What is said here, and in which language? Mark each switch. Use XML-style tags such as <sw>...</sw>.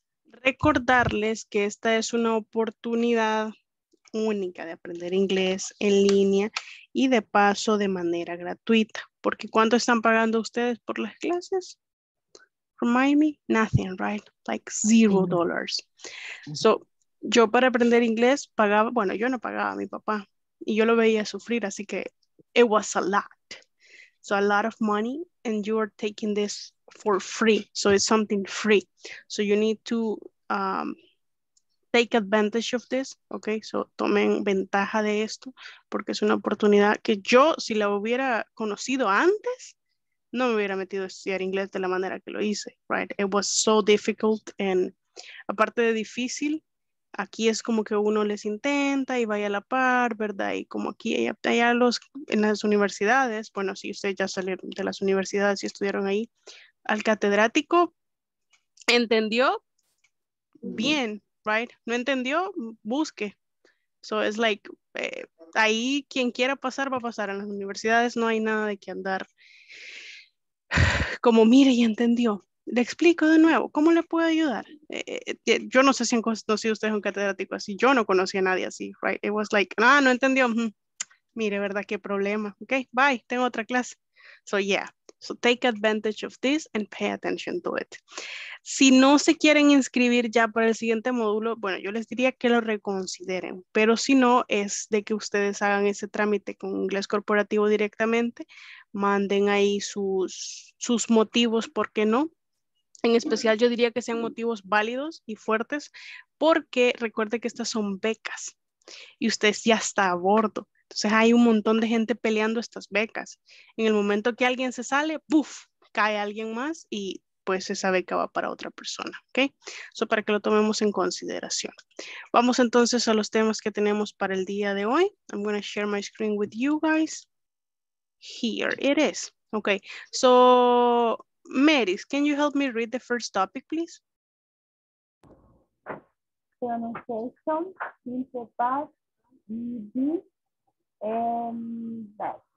<es>Recordarles que esta es una oportunidad única de aprender inglés en línea y de paso de manera gratuita. Porque ¿cuánto están pagando ustedes por las clases?</es> <en>Remind me, nothing, right? Like $0.</en> <es>So, yo para aprender inglés pagaba, bueno, yo no pagaba a mi papá y yo lo veía sufrir, así que</es> <en>it was a lot. So, a lot of money and you are taking this for free. So, it's something free. So, you need to take advantage of this, okay?</en> <es>So, tomen ventaja de esto porque es una oportunidad que yo, si la hubiera conocido antes, no me hubiera metido a estudiar inglés de la manera que lo hice, right?</es> <en>It was so difficult and</en> <es>aparte de difícil, aquí es como que uno les intenta y vaya a la par, ¿verdad? Y como aquí hay los en las universidades, bueno, si ustedes ya salieron de las universidades y estudiaron ahí, al catedrático entendió bien, right? No entendió, busque.</es> <en>So it's like,</en> <es>ahí quien quiera pasar va a pasar. En las universidades no hay nada de que andar como mire y entendió. Le explico de nuevo, ¿cómo le puedo ayudar? Yo no sé si han conocido ustedes un catedrático así, yo no conocí a nadie así, right?</es> <en>It was like,</en> <es>ah, no entendió, mire, ¿verdad? Qué problema, ok, bye, tengo otra clase.</es> <en>So yeah, so take advantage of this and pay attention to it.</en> <es>Si no se quieren inscribir ya para el siguiente módulo, bueno, yo les diría que lo reconsideren, pero si no, es de que ustedes hagan ese trámite con inglés corporativo directamente, manden ahí sus motivos, ¿por qué no? En especial yo diría que sean motivos válidos y fuertes porque recuerde que estas son becas y usted ya está a bordo. Entonces hay un montón de gente peleando estas becas. En el momento que alguien se sale, ¡puf! Cae alguien más y pues esa beca va para otra persona, ¿ok? Eso para que lo tomemos en consideración. Vamos entonces a los temas que tenemos para el día de hoy.</es> <en>I'm going to share my screen with you guys. Here it is. Ok, so... Meris, can you help me read the first topic, please? Pronunciation, simple past, ending, and back.</en>